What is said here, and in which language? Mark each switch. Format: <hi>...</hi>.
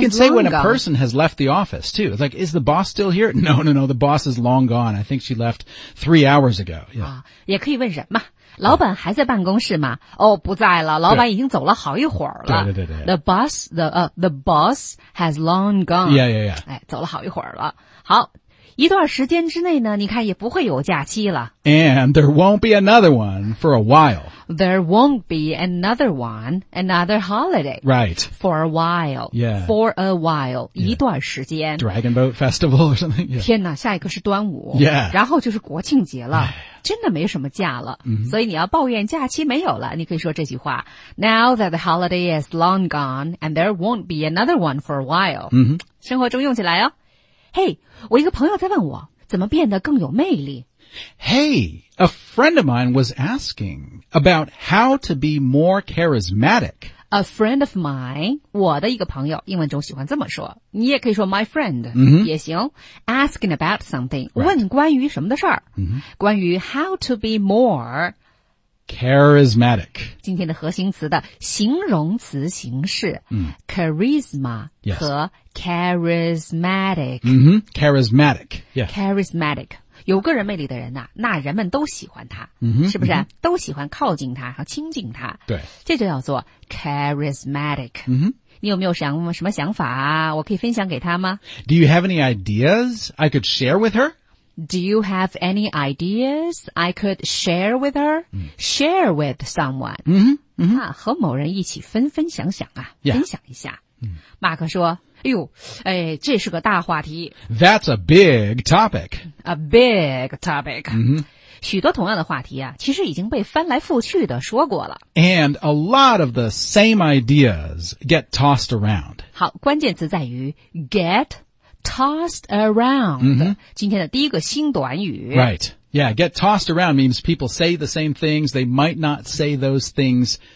<en>You can say when a person has left the office too. It's like, is the boss still here? No， no， no。The boss is long gone. I think she left 3 hours ago. Yeah。</en> <zh>啊，也可以问人嘛，老板还在办公室吗？哦，不在了，老板已经走了好一会儿了。对对对对。</zh> <en>The boss has long gone。 Yeah， yeah， yeah。</en> <zh>哎，走了好一会儿了。好。一段时间之内呢，你看也不会有假期了。</zh> <en>And there won't be another one for a while. There won't be another one, another holiday. Right. For a while. Yeah. For a while. Yeah. 一段时间。 Dragon Boat Festival or something.、Yeah.</en> <zh>天哪，下一个是端午。</zh> <en>Yeah.</en> <zh>然后就是国庆节了。真的没什么假了、 mm-hmm. 所以你要抱怨假期没有了你可以说这句话 Now that the holiday is long gone and there won't be another one for a while.、 Mm-hmm. 生活中用起来哦。 Hey, 我一个朋友在问我怎么变得更有魅力。</zh> <en>Hey, a friend of mine was asking about how to be more charismatic.</en> <zh>A friend of mine, 我的一个朋友英文中喜欢这么说。你也可以说 my friend,、 mm-hmm.</zh> <en>也行。 Asking about something,、 right.</en> <zh>问关于什么的事儿、 mm-hmm.</zh> <en>关于 how to be more charismatic.</en> <zh>今天的核心词的形容词形式、 mm-hmm.</zh> <en>charisma、 yes. 和 Charismatic. Mm-hmm. Charismatic. Yeah. Charismatic.</en> <zh>有个人魅力的人啊，那人们都喜欢他。 Mm-hmm. 是不是、啊 mm-hmm. 都喜欢靠近他和亲近他。对。这就叫做 charismatic. Mm-hmm. 你有没有想什么想法啊我可以分享给他吗</zh> <en>Do you have any ideas I could share with her? Do you have any ideas I could share with her?、 Mm-hmm. Share with someone. Mm-hmm. Mm-hmm.</en> <zh>啊和某人一起分享想啊、</zh> <en>yeah.</en> <zh>分享一下。马克说哎呦哎这是个大话题。</zh> <en>That's a big topic. A big topic.、 Mm-hmm.</en> <zh>许多同样的话题啊其实已经被翻来覆去的说过了。</zh> <en>And a lot of the same ideas get tossed around.</en> <zh>好关键词在于 get tossed around.、 Mm-hmm. 今天的第一个新短语。</zh> <en>Right. Yeah, get tossed around means people say the same things. They might not say those things.</en>